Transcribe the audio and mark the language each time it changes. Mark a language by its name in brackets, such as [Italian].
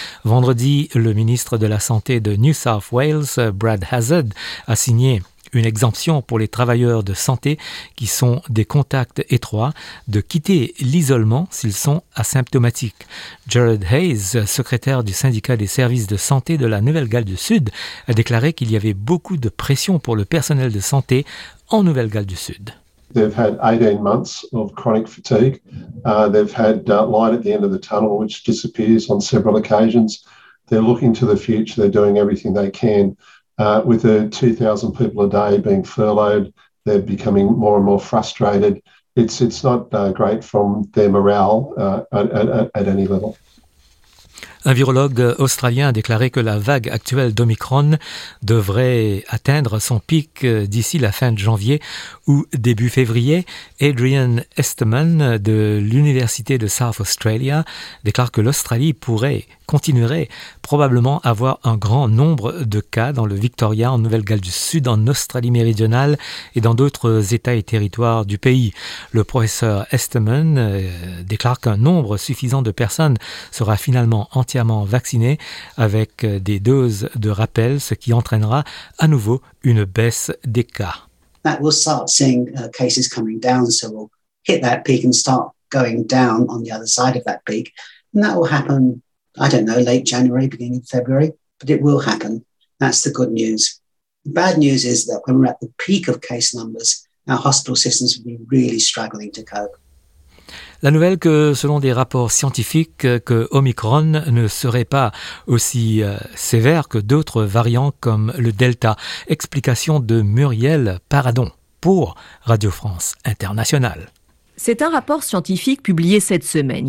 [French] Vendredi, le ministre de la Santé de New South Wales, Brad Hazard, a signé une exemption pour les travailleurs de santé qui sont des contacts étroits de quitter l'isolement s'ils sont asymptomatiques. Jared Hayes, secrétaire du syndicat des services de santé de la Nouvelle-Galles du Sud, a déclaré qu'il y avait beaucoup de pression pour le personnel de santé en Nouvelle-Galles du Sud. [English] They've had 18 months of chronic fatigue. They've had light at the end of the tunnel, which disappears on several occasions. They're looking to the future. They're doing everything they can. With the 2,000 people a day being furloughed, they're becoming more and more frustrated. It's not great from their morale at any level. [French] Un virologue australien a déclaré que la vague actuelle d'Omicron devrait atteindre son pic d'ici la fin de janvier ou début février. Adrian Esterman de l'Université de South Australia déclare que l'Australie continuerait probablement à avoir un grand nombre de cas dans le Victoria, en Nouvelle-Galles du Sud, en Australie méridionale et dans d'autres états et territoires du pays. Le professeur Esterman déclare qu'un nombre suffisant de personnes sera finalement entièrement vacciné avec des doses de rappel, ce qui entraînera à nouveau une baisse des cas. [English] That we'll start seeing cases coming down, so we'll hit that peak and start going down on the other side of that peak. And that will happen, I don't know, late January, beginning of February, but it will happen. That's the good news. The bad news is that when we're at the peak of case numbers, our hospital systems will be really struggling to cope. [French] La nouvelle que, selon des rapports scientifiques, que Omicron ne serait pas aussi sévère que d'autres variants comme le Delta. Explication de Muriel Paradon pour Radio France Internationale. C'est un rapport scientifique publié cette semaine.